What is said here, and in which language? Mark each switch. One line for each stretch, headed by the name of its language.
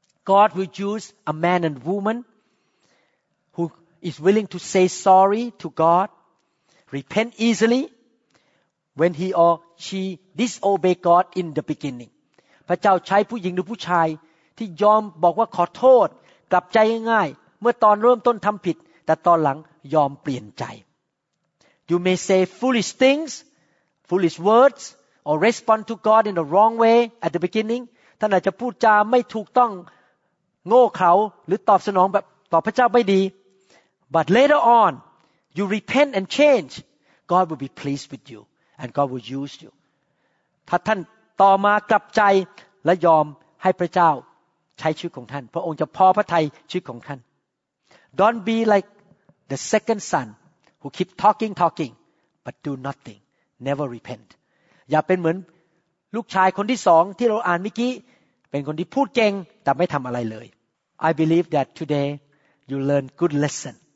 English: God will use a man and woman who is willing to say sorry to God repent easily when he or she disobey God in the beginning
Thai: พระเจ้าใช้ผู้หญิงหรือผู้ชายที่ยอมบอกว่าขอโทษกลับใจง่ายๆเมื่อตอนเริ่มต้นทำผิดแต่ตอนหลังยอมเปลี่ยนใจ
English: You may say foolish things, foolish words, or respond to God in the wrong way at the beginning.
Thai: ท่านอาจจะพูดจาไม่ถูกต้องโง่เขลาหรือตอบสนองแบบตอบพระเจ้าไม่ดี
English: But later on, you repent and change. God will be pleased with you, and God will use you.
Thai: ถ้าท่านต่อมากลับใจและยอมให้พระเจ้าใช้ชีวิตของท่านพระองค์จะพอพระทัยชีวิตของท่าน
English: Don't be likeThe second son who keep talking, but do nothing, never repent.
Thai: อย่าเป็นเหมือนลูกชายคนที่สองที่เราอ่านเมื่อกี้เป็นคนที่พูดเก่งแต่ไม่ทำอะไรเลย
English: I believe that today you learn good lesson.